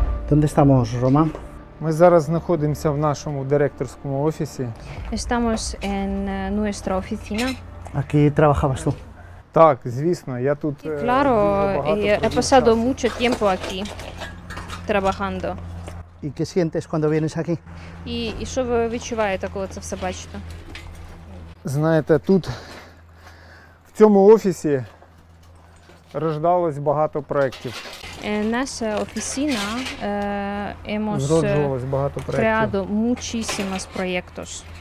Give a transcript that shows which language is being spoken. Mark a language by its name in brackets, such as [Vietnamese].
[Spanish] Donde estamos, Roman? [Ukrainian] Мы зараз знаходимося в нашому директорському офісі. [Spanish] Estamos en nuestra oficina. Aquí trabajabas tú. [Ukrainian] Так, звісно, я тут. [Spanish] Y claro, he pasado mucho tiempo aquí trabajando. ¿Y qué sientes cuando vienes aquí? [Ukrainian] І що ви відчуваєте, коли це все бачите? Знаєте, тут в цьому офісі рождалось багато проєктів. Наша офісина зроджувалось багато [Spanish] проєктів. Muchísimos proyectos.